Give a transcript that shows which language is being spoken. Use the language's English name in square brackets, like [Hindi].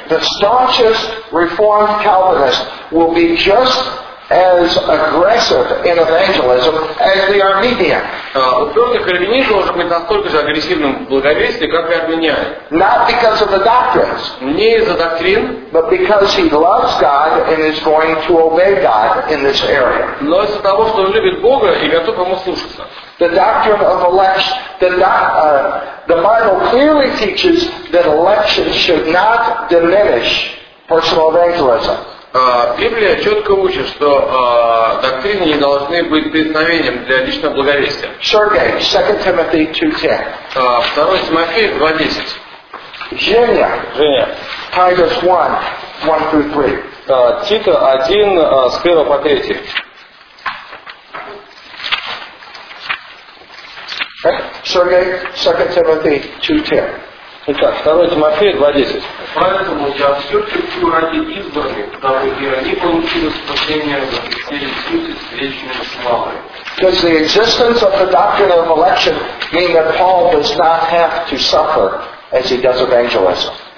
[English] The staunchest reformed Calvinist will be just as aggressive in evangelism as the Armenian. [Russian] Упертый кальвинизм должен быть настолько же агрессивным в благовестии, как и армянин. [English] Not because of the doctrines. [Russian] Не из-за доктрин. [English] But because he loves God and is going to obey God in this area. [Russian] Но из-за того, что он любит Бога и готов ему слушаться. [English] The doctrine of election, the Bible clearly teaches that election should not diminish personal evangelism. [Russian] Библия четко учит, что доктрины не должны быть преткновением для личного благовестия. Сергей, 2 Тимофея 2:10. 2 Тимофея 2:10. Женя. Женя. [English] Titus 1:1-3. [Russian] Тита 1, с 1 по 3. Сергей, 2 Тимофея 2.10. Итак, 2 Тимофея 2.10. Поэтому я все терплю ради избранных, дабы и они получили спасение за Христе с вечной славой. [English] Does the existence of the doctrine of election mean that Paul does not have to suffer as he does evangelism?